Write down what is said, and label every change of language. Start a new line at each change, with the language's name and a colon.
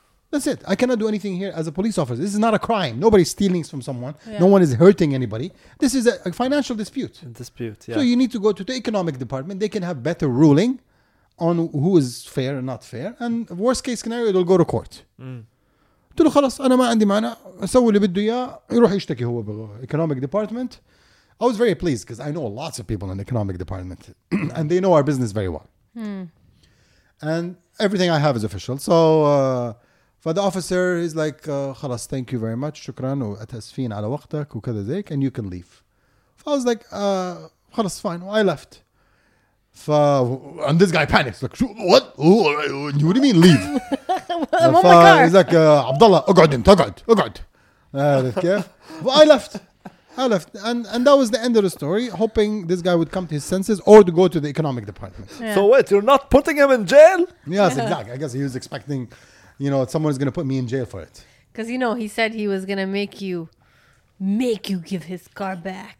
English: That's it. I cannot do anything here as a police officer. This is not a crime. Nobody's stealing from someone. Yeah. No one is hurting anybody. This is a financial dispute. A dispute, yeah. So you need to go to the economic department. They can have better ruling on who is fair and not fair. And worst case scenario, it'll go to court.
Arabic: تقول له خلاص أنا ما عندي معنى. أسوي اللي بده إياه. يروح يشتكي هو
English: بالإكونوميك department. I was very pleased because I know lots of people in the economic department and they know our business very well. And everything I have is official. So... But the officer is like,
Arabic: خلاص,
English: thank you very much,
Arabic: شكراً, وأتأسفين على وقتك, وكذا ذيك,
English: and you can leave. So I was like,
Arabic: خلاص,
English: fine, well, I left. And this guy panics, like, what? What do you mean, leave? I'm on my car. He's like, Abdullah,
Arabic: أقعد انت, أقعد, أقعد.
English: But I left. And that was the end of the story, hoping this guy would come to his senses or to go to the economic department. Yeah. So wait, you're not putting him in jail? Yes, exactly. I guess he was expecting... You know, someone's going to put me in jail for it. Because, you know, he said he was going to make you give his car back.